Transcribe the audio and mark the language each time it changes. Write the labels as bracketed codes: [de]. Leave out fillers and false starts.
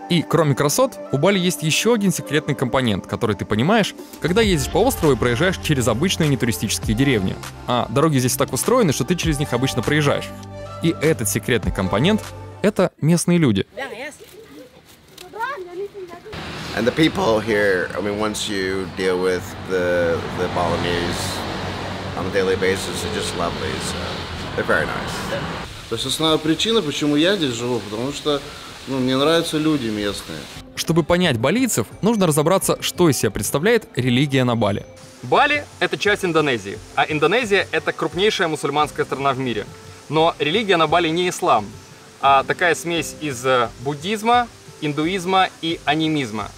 [ru] И кроме красот, у Бали есть еще один секретный компонент, который ты понимаешь, когда ездишь по острову и проезжаешь через обычные нетуристические деревни. А дороги здесь так устроены, что ты через них обычно проезжаешь. И этот секретный компонент — это местные люди. [en] And the people here, I mean, once you deal with the Balinese on a daily basis, they're just lovely, so they're very nice. [ru] То есть основная причина, почему я здесь живу, потому что, ну, мне нравятся люди местные. Чтобы понять балийцев, нужно разобраться, что из себя представляет религия на Бали. Бали — это часть Индонезии, а Индонезия — это крупнейшая мусульманская страна в мире. Но религия на Бали не ислам, а такая смесь из буддизма, индуизма и анимизма.